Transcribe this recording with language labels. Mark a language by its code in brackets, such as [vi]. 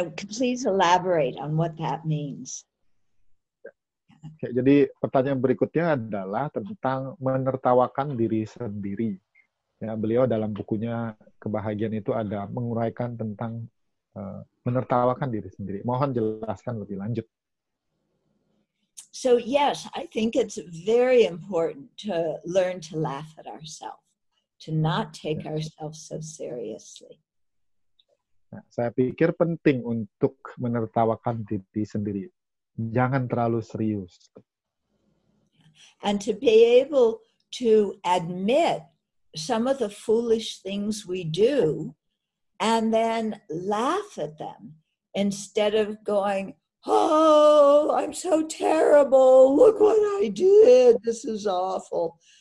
[en] Please elaborate on what that means. [id] Okay, jadi pertanyaan berikutnya adalah tentang menertawakan diri sendiri. Ya, beliau dalam bukunya Kebahagiaan Itu ada menguraikan tentang menertawakan diri sendiri. Mohon jelaskan lebih lanjut. [en] So yes, I think it's very important to learn to laugh at ourselves, to not take ourselves so seriously. [id] Nah, saya pikir penting untuk menertawakan diri sendiri. Jangan terlalu serius. [en] And to be able to admit some of the foolish things we do and then laugh at them instead of going, oh, I'm so terrible, look what I did, this is awful.